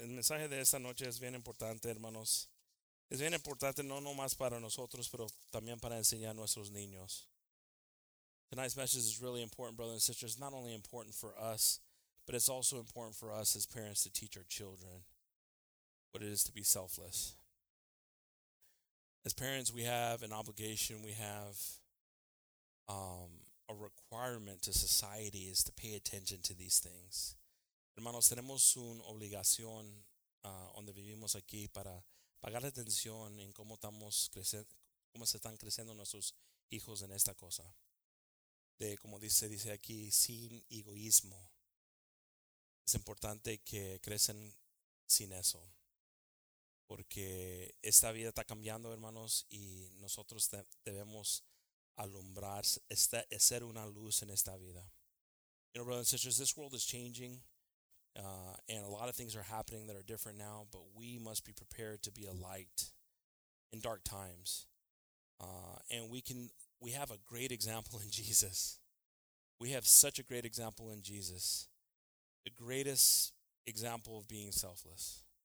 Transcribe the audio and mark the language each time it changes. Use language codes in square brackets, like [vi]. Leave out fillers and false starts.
[es] El mensaje de esta noche es bien importante, hermanos. Es bien importante no nomás para nosotros, pero también para enseñar a nuestros niños. [en] Tonight's message is really important, brothers and sisters. Not only important for us, but it's also important for us as parents to teach our children what it is to be selfless. As parents, we have an obligation, we have a requirement to society is to pay attention to these things. [es] Hermanos, tenemos una obligación donde vivimos aquí para pagar atención en cómo se están creciendo nuestros hijos en esta cosa. De como dice aquí, sin egoísmo. Es importante que crecen sin eso. Porque esta vida está cambiando, hermanos, y nosotros debemos alumbrar, ser una luz en esta vida. [en] You know, brothers and sisters, this world is changing, and a lot of things are happening that are different now, but we must be prepared to be a light in dark times. And we have a great example in Jesus. We have such a great example in Jesus. The greatest example of being selfless.